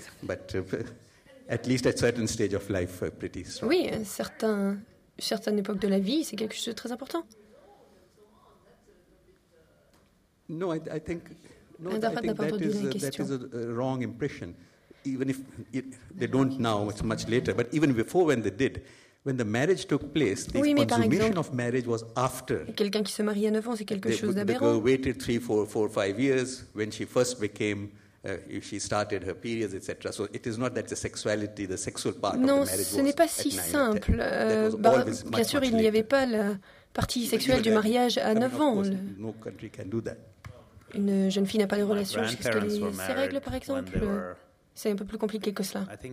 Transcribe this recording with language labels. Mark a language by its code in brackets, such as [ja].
[en] But at least at certain stage of life, pretty strong. [fr] Oui, à certaines époques de la vie, c'est quelque chose de très important. [en] No, I think that is a wrong impression. Even if they don't now, it's much later. But even before, when they did, when the marriage took place, the consummation of marriage was after. [fr] Quelqu'un qui se marie à 9 ans, c'est quelque chose d'aberrant. [en] The girl waited 3, 4, 5 years when she first became, if she started her periods, etc. So it is not that the sexual part [fr] non, [en] of the marriage [fr] ce n'est pas si simple. Bien sûr, il n'y avait pas la partie sexuelle du mariage à 9 ans. [en] Course, no country can do that. [fr] Une jeune fille n'a pas de relation jusqu'à ses règles, par exemple. C'est un peu plus compliqué que cela.